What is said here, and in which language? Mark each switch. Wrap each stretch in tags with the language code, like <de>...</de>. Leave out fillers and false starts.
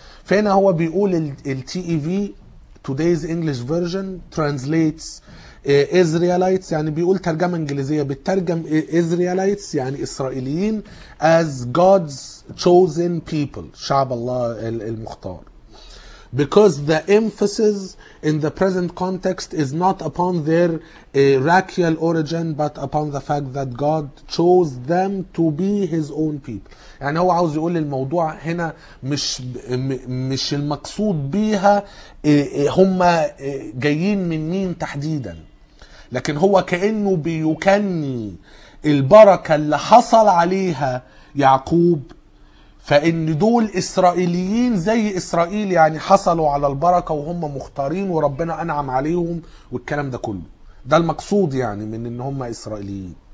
<ar>فهنا هو بيقول</ar> <en>TEV Today's English Version translates Israelites،</en> <ar>يعني بيقول ترجمة انجليزية بتترجم Israelites يعني اسرائيليين،</ar> <en>as God's chosen people</en> <ar>شعب الله المختار.</ar> <en>Because the emphasis in the present context is not upon their racial origin but upon the fact that God chose them to be his own people.</en> <ar>يعني هو عاوز يقول الموضوع هنا مش المقصود بيها هم جايين من مين تحديدا، لكن هو كأنه بيكني البركة اللي حصل عليها يعقوب، فإن دول إسرائيليين زي إسرائيل، يعني حصلوا على البركة وهم مختارين وربنا أنعم عليهم والكلام ده كله، ده المقصود يعني من إن هم إسرائيليين.</ar>